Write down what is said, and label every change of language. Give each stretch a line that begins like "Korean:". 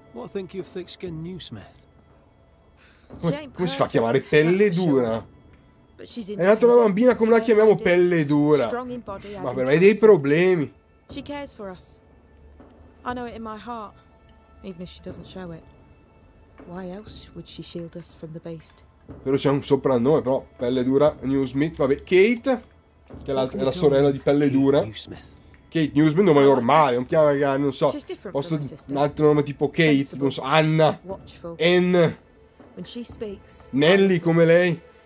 English: What think you of thick skin new smith?
Italian: Come si fa a chiamare pelle dura? È nata una bambina, come la chiamiamo pelle dura? Ma per me hai dei problemi.
English: She cares for us. I know it in my heart, even if she doesn't show it. Why else would she shield us from the beast?
Italian: Però c'è un soprannome, però pelle dura, Newsmith, vabbè, Kate, che è la sorella di pelle dura. Kate Newsmith, nome normale, un chiama magari, non so, posto un altro nome tipo Kate, non so, Anna, Anne, Nelly come lei.